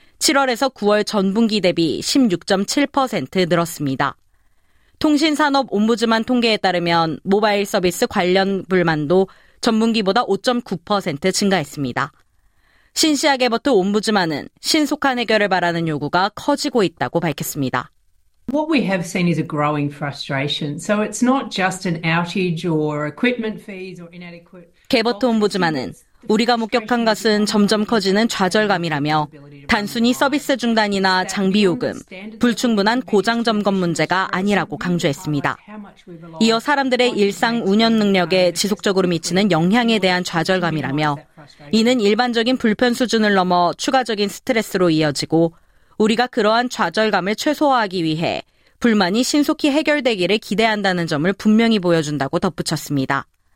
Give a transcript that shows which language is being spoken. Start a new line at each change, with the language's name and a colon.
Korean: 7월에서 9월 전분기 대비 16.7% 늘었습니다. 통신산업 옴부즈만 통계에 따르면 모바일 서비스 관련 불만도 전분기보다 5.9% 증가했습니다. 신시하게 버트 옴부즈만은 신속한 해결을 바라는 요구가 커지고 있다고 밝혔습니다.
English: What we have seen is a growing frustration. So it's not just an outage or equipment fees or inadequate.
Korean: 개버트 옴부즈만은 우리가 목격한 것은 점점 커지는 좌절감이라며 단순히 서비스 중단이나 장비 요금, 불충분한 고장 점검 문제가 아니라고 강조했습니다. 이어 사람들의 일상 운영 능력에 지속적으로 미치는 영향에 대한 좌절감이라며 이는 일반적인 불편 수준을 넘어 추가적인 스트레스로 이어지고 우리가 그러한 좌절감을 최소화하기 위해 불만이 신속히 해결되기를 기대한다는 점을 분명히 보여준다고 덧붙였습니다.